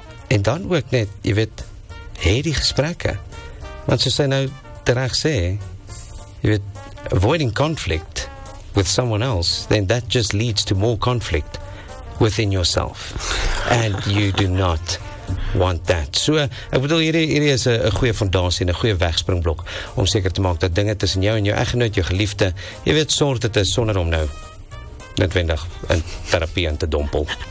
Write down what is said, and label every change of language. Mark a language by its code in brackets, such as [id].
[af] En dan ook net, jy weet, hê die gesprekke. Want soos hy nou terecht sê, jy weet, [en] avoiding conflict with someone else, then that just leads to more conflict within yourself, and you do not want that. [af] So, ek bedoel, hierdie is 'n goeie fondasie en 'n goeie wegspringblok om seker te maak dat dinge tussen jou en jou eggenoot, jou geliefde, jy weet, sorg dit is sonder om nou netwendig in terapie in te dompel.